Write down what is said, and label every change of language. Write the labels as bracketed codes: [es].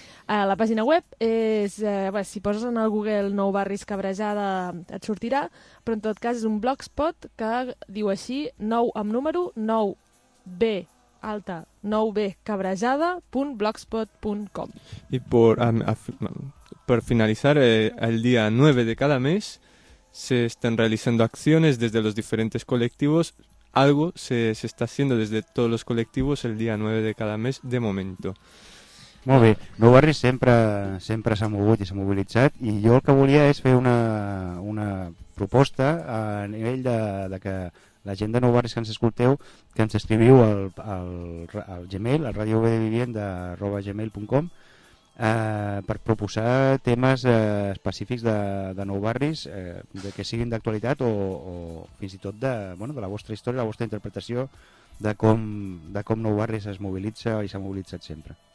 [ca] A la pàgina web és... si poses en el Google Nou Barris Cabrejada et sortirà, però en tot cas és un blogspot que diu així, 9 amb número, 9 B alta, 9 B cabrejada.blogspot.com. I per... [es] Per finalizar, el día 9 de cada mes se están realizando acciones desde los diferentes colectivos. Algo se está haciendo desde todos los colectivos el día 9 de cada mes de momento. [ca] Molt bé. Nou Barris sempre s'ha mogut i s'ha mobilitzat i jo el que volia és fer una proposta a nivell de que la gent de Nou Barris que ens escolteu, que ens escriviu al Gmail, al radiovdvivienda@gmail.com, per proposar temes específics de Nou Barris, de que siguin d'actualitat o fins i tot de la vostra història, la vostra interpretació de com Nou Barris es mobilitza i s'ha mobilitzat sempre.